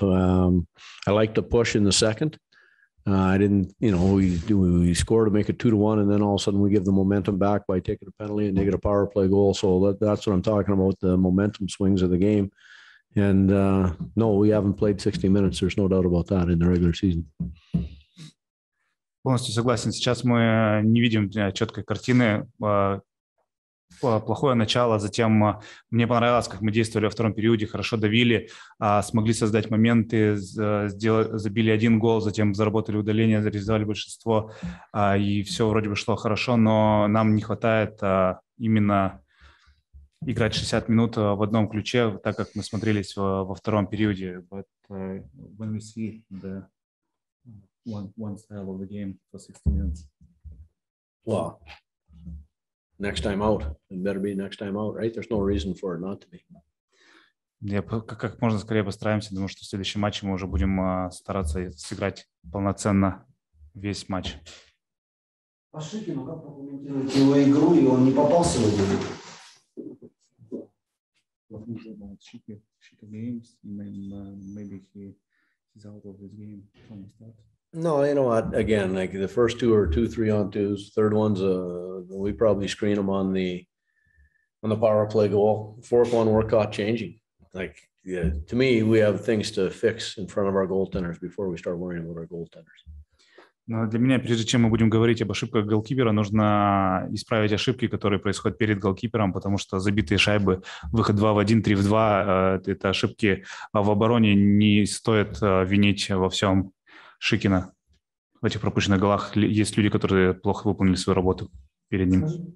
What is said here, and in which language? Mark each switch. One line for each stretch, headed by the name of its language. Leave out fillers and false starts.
English: I like to push in the second. We score to make it 2-1, and then all of a sudden we give the momentum back by taking a penalty and they get a power play goal. So that's what I'm talking about, the momentum swings of the game. And no, we haven't played 60 minutes. There's no doubt about that in the regular season.
Russian: Полностью согласен. Сейчас мы не видим четкой картины. Плохое начало, затем мне понравилось, как мы действовали во втором периоде, хорошо давили, смогли создать моменты, забили один гол, затем заработали удаление, зарезали большинство, и все вроде бы шло хорошо, но нам не хватает именно играть 60 минут в одном ключе, так как мы смотрелись во втором периоде.
English: But when we see the one style of the game for 60 minutes. Wow. Next time out. It better be next time out, right? There's no reason for it not to be.
Russian: Yeah, как можно скорее постараемся, потому что в следующем матче мы уже будем стараться сыграть полноценно весь матч. Пашикину, как прокомментировать его игру, и он не попался в игру?
English: No, you know what? Again, like the first two are 2-3-on-2s. Third one's we probably screen them on the power play goal. Fourth one, we're caught changing. Like, yeah, to me, we have things to fix in front of our goaltenders before we start worrying about our goaltenders.
Russian: Но для меня, прежде чем мы будем говорить об ошибках голкипера, нужно исправить ошибки, которые происходят перед голкипером, потому что забитые шайбы, выход 2 в 1, 3 в 2, это ошибки в обороне, не стоит винить во всем Шикина. В этих пропущенных голах есть люди, которые плохо выполнили свою работу перед ним.